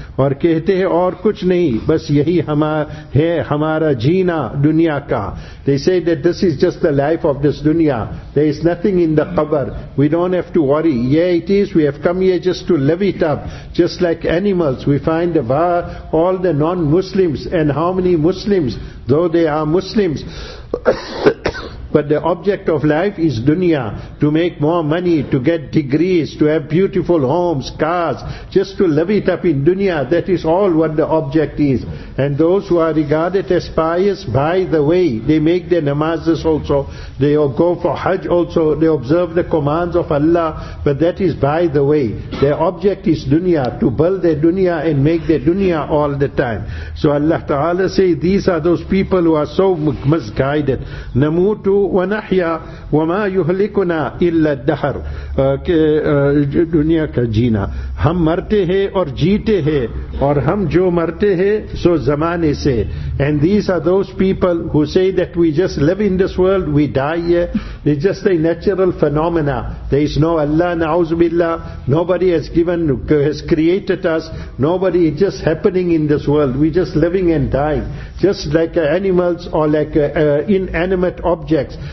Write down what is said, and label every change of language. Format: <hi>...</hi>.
<ur>اور کہتے ہیں اور کچھ نہیں بس یہی ہمارا جینا دنیا کا.</ur> <en>They say that this is just the life of this dunya. There is nothing in the qabr. We don't have to worry. Yeah, it is. We have come here just to live it up, just like animals. We find all the non-Muslims, and how many Muslims, though they are Muslims, but the object of life is dunya, to make more money, to get degrees, to have beautiful homes, cars, just to live it up in dunya. That is all what the object is. And those who are regarded as pious, by the way, they make their namazes also, they go for hajj also, they observe the commands of Allah, but that is by the way. Their object is dunya, to build their dunya and make their dunya all the time. So Allah Ta'ala say, these are those people who are so misguided.</en> <ar>Namutu ونحيا وما يهلكنا إلا الدهر.</ar> <ur>دنیا کا جینا, ہم مرتے ہیں اور جیتے ہیں اور ہم جو مرتے ہیں سو زمانے سے.</ur> <en>And these are those people who say that we just live in this world, we die here. It's just a natural phenomena. There is no Allah, na'uz billah. Nobody has created us. Nobody is just happening in this world. We just living and dying, just like animals or like inanimate objects.</en>